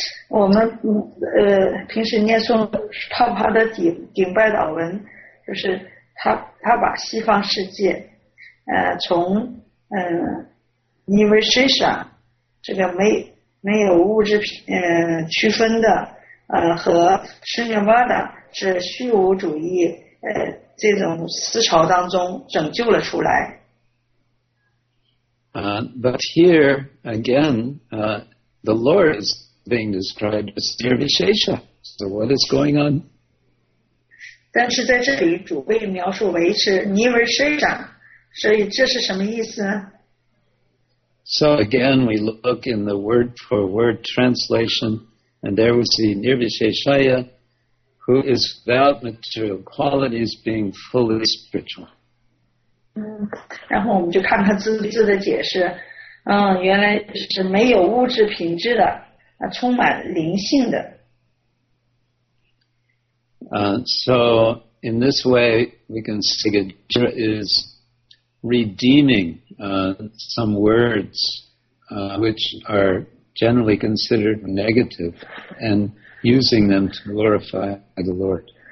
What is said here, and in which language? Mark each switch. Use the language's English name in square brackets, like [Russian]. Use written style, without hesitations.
[Chinese] 我们平时念诵帕帕的顶拜祷文，就是他把西方世界从nirvishesha 这个没有物质区分的和 shunyavada 是虚无主义。这种思潮当中拯救了出来。 [English] But here again, the Lord is being described as nirvishesha. So what is going on? [Chinese] 但是在这里，主被描述为是 nirvishesha， 所以这是什么意思呢？ [English] So again, we look in the word-for-word translation, and there we see nirvisheshaya. Who is without material qualities being fully spiritual. [Chinese] 然后我们就看他字字的解释。原来是没有物质品质的，充满灵性的。 [English] So in this way, we can see that Jira is redeeming some words which are generally considered negative and using them to glorify the Lord.